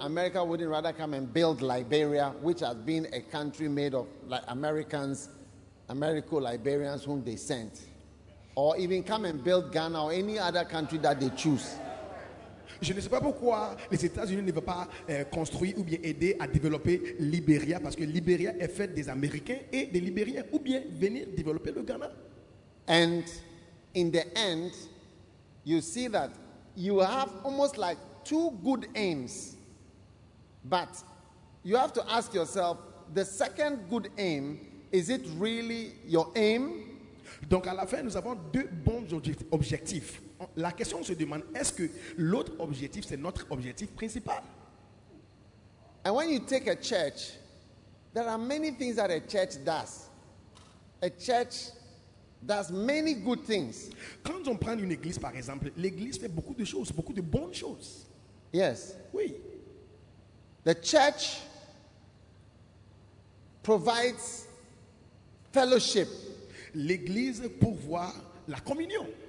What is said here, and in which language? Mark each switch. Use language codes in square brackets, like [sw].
[en] America wouldn't rather come and build Liberia, which has been a country made of like Americans, Americo-Liberians whom they sent. Or even come and build Ghana or any other country that they choose. [fr] Je ne sais pas pourquoi les États-Unis ne veulent pas construire ou bien aider à développer Liberia parce que Liberia est faite des Américains et des Libériens ou bien venir développer le Ghana. [en] And in the end, you see that you have almost like two good aims, but you have to ask yourself, the second good aim, is it really your aim? [fr] Donc à la fin, nous avons deux bons objectifs. La question se demande, est-ce que l'autre objectif, c'est notre objectif principal? [en] And when you take a church, there are many things that a church does. A church does many good things. [fr] Quand on prend une église, par exemple, l'église fait beaucoup de choses, beaucoup de bonnes choses. [en] Yes. [fr] Oui. [en] The church provides fellowship. [fr] L'église pourvoit la communion.